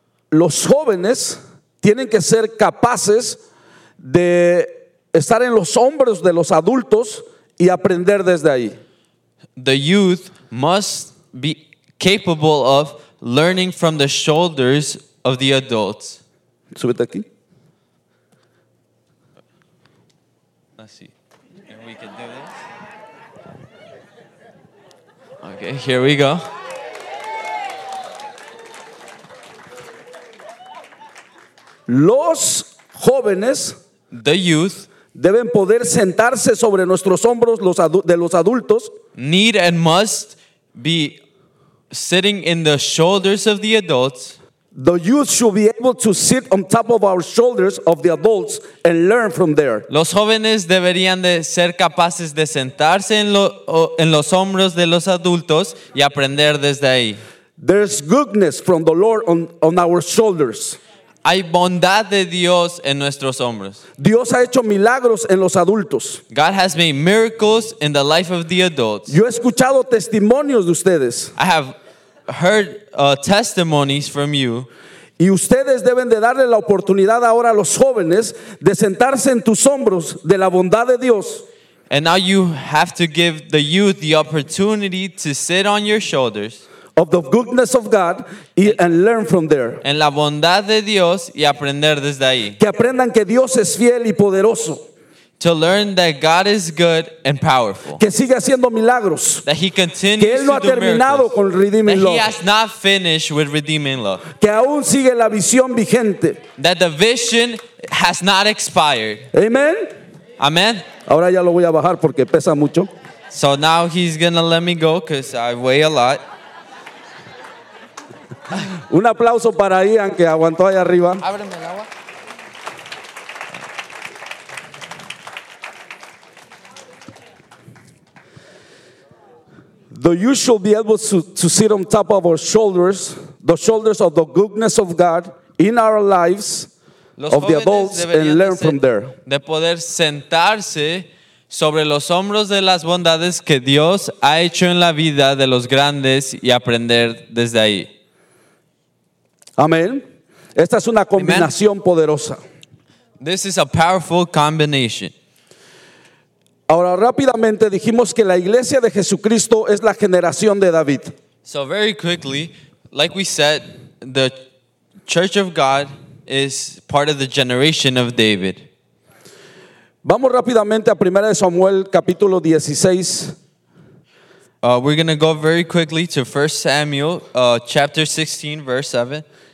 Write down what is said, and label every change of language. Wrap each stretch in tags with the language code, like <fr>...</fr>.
<es>Los jóvenes tienen que ser capaces de estar en los hombros de los adultos y aprender desde ahí.</es> <en>The youth must be capable of learning from the shoulders of the adults.</en> <es>Súbete aquí. Así.</es> <en>And we can do this. Okay, here we go.</en> <es>Los jóvenes,</es> <en>the youth,</en> <es>deben poder sentarse sobre nuestros hombros los de los adultos.</es> <en>Need and must be sitting in the shoulders of the adults. The youth should be able to sit on top of our shoulders of the adults and learn from there.</en> <es>Los jóvenes deberían de ser capaces de sentarse en los hombros de los adultos y aprender desde ahí.</es> <en>There's goodness from the Lord on our shoulders.</en> <es>Hay bondad de Dios en nuestros hombros. Dios ha hecho milagros en los adultos.</es> <en>God has made miracles in the life of the adults.</en> <es>Yo he escuchado testimonios de ustedes.</es> <en>I have heard testimonies from you.</en> <es>Y ustedes deben de darle la oportunidad ahora a los jóvenes de sentarse en tus hombros de la bondad de Dios.</es> <en>And now you have to give the youth the opportunity to sit on your shoulders. Of the goodness of God and learn from there.</en> <es>En la bondad de Dios y aprender desde ahí. Que aprendan que Dios es fiel y poderoso.</es> <en>To learn that God is good and powerful.</en> <es>Que sigue haciendo milagros.</es> <en>That he continues</en> <es>que él no</es> <en>to</en> <es>ha terminado</es> <en>miracles.</en> <es>Con Redeeming</es> <en>that Love. He has not finished with Redeeming Love.</en> <es>Que aún sigue la visión vigente.</es> <en>That the vision has not expired.</en> <es>Amen.</es> <en>Amen.</en> <es>Ahora ya lo voy a bajar porque pesa mucho.</es> <en>So now he's going to let me go because I weigh a lot.</en> <es>Un aplauso para Ian que aguantó ahí arriba. Ábreme el agua.</es> <en>The youth should be able to sit on top of our shoulders, the shoulders of the goodness of God in our lives,</en> <es>los</es> <en>of the adults, and learn from there.</en> <es>De poder sentarse sobre los hombros de las bondades que Dios ha hecho en la vida de los grandes y aprender desde ahí. Amén. Esta es una combinación Amen. Poderosa.</es> <en>This is a powerful combination.</en> <es>Ahora rápidamente dijimos que la iglesia de Jesucristo es la generación de David.</es> <en>So very quickly, like we said, the Church of God is part of the generation of David.</en> <es>Vamos rápidamente a 1 Samuel capítulo 16.</es> <en>We're going to go very quickly to 1 Samuel chapter 16 verse 7.</en>